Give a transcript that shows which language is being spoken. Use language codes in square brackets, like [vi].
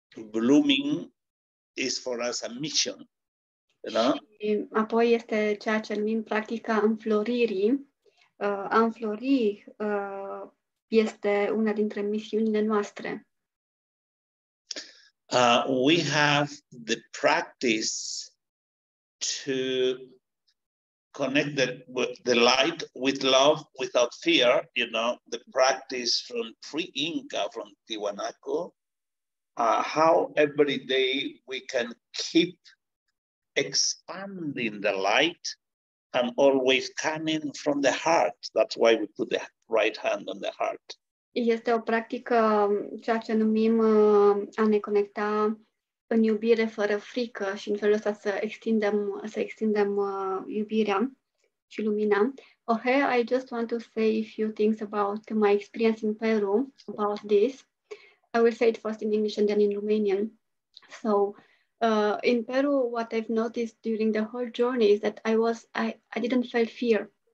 [en] Blooming is for us a mission, you know? [ro] Și apoi este ceea ce numim practica înfloririi. A înflori este una dintre misiunile noastre. [en] We have the practice to connect the light with love without fear, you know, the practice from pre-Inca, from Tiwanaku, how every day we can keep expanding the light and always coming from the heart. That's why we put the right hand on the heart. [ro] Este o practică, ceea ce numim a ne conecta în iubire fără frică și în felul ăsta să extindem iubirea și lumina. [en] Okay, I just want to say a few things about my experience in Peru about this. I will say it first in English and then in Romanian. So, in Peru, what I've noticed during the whole journey is that I didn't feel fear.